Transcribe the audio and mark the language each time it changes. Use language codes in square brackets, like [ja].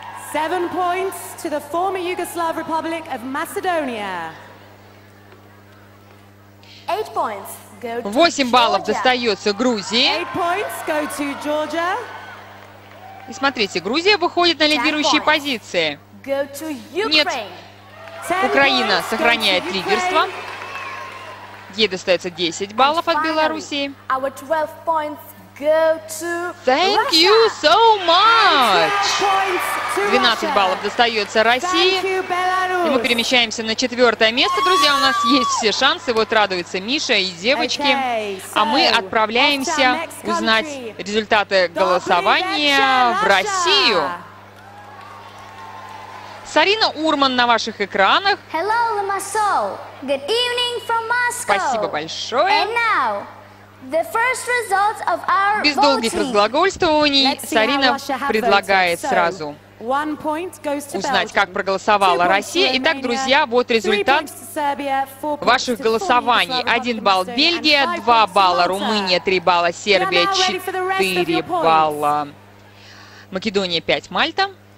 [en] 7 points to the former Yugoslav Republic of Macedonia. 8 points go to [ru] 8 баллов достается Грузии. [en] 8 points go to Georgia. [ru] И смотрите, Грузия выходит на лидирующие позиции. [en] Go to Ukraine. [ru] Нет, Украина сохраняет лидерство. Ей достается 10 баллов от Белоруссии. [en] Our 12 points go to Thank you so much! [ru] 12 баллов достается России. И мы перемещаемся на 4 место, друзья. У нас есть все шансы. Вот радуются Миша и девочки. А мы отправляемся узнать результаты голосования в Россию. Сарина Урман на ваших экранах. [en] Hello, Limassol. Good evening from Moscow. [ru] Спасибо большое. [en] And now, the first results of our [ru] Без долгих разглагольствований Сарина предлагает сразу узнать, как проголосовала Россия. Итак, друзья, вот результат ваших голосований. 1 балл Бельгия, 2 балла Румыния, 3 балла Сербия, 4 балла Македония, 5 Мальта.